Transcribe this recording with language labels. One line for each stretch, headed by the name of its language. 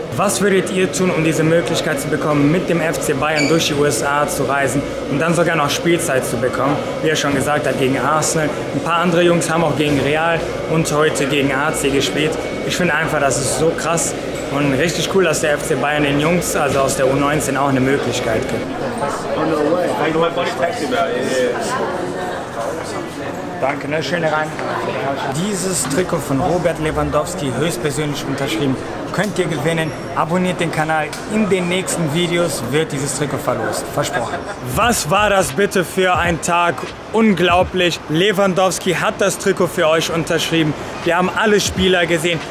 German: Was würdet ihr tun, um diese Möglichkeit zu bekommen, mit dem FC Bayern durch die USA zu reisen und dann sogar noch Spielzeit zu bekommen? Wie er schon gesagt hat, gegen Arsenal. Ein paar andere Jungs haben auch gegen Real und heute gegen AC gespielt. Ich finde einfach, das ist so krass. Und richtig cool, dass der FC Bayern den Jungs, also aus der U19, auch eine Möglichkeit gibt.
English: Oh, no way. I know my buddy texted about it.
German: Danke, ne? Schöne rein. Dieses Trikot von Robert Lewandowski höchstpersönlich unterschrieben. Könnt ihr gewinnen. Abonniert den Kanal. In den nächsten Videos wird dieses Trikot verlost. Versprochen. Was war das bitte für ein Tag? Unglaublich. Lewandowski hat das Trikot für euch unterschrieben. Wir haben alle Spieler gesehen.